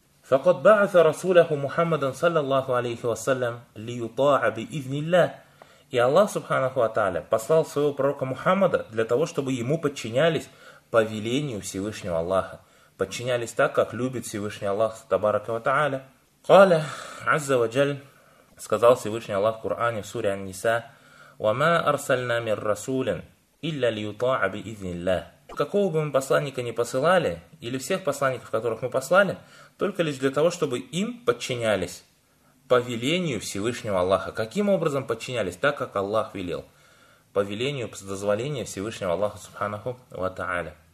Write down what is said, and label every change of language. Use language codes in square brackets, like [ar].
[ar] فَقَدْ بَعَثَ رَسُولَهُ مُحَمَّدًا صَلَّى اللَّهُ عَلَيْهِ وَسَلَّمْ لِيُطَاعَ بِإِذْنِ اللَّهِ. [ru] И Аллах, субханаху ва тааля, послал своего пророка Мухаммада для того, чтобы ему подчинялись по велению Всевышнего Аллаха. Подчинялись так, как любит Всевышний Аллах, табарака ва тааля. [ar] قَالَ عَزَّ وَجَلَّ, [ru] сказал Всевышний Аллах в Коране, в суре Ан-Ниса, [ar] وَمَا أَرْسَلْنَا مِن رَسُولٍ إِلَّا لِيُطَاعَ بِإِذْنِ اللَّهِ. [ru] Какого бы мы посланника ни посылали, или всех посланников, которых мы послали, только лишь для того, чтобы им подчинялись по велению Всевышнего Аллаха. Каким образом подчинялись? Так, как Аллах велел. По велению, по дозволению Всевышнего Аллаха, субханаху ва тааля.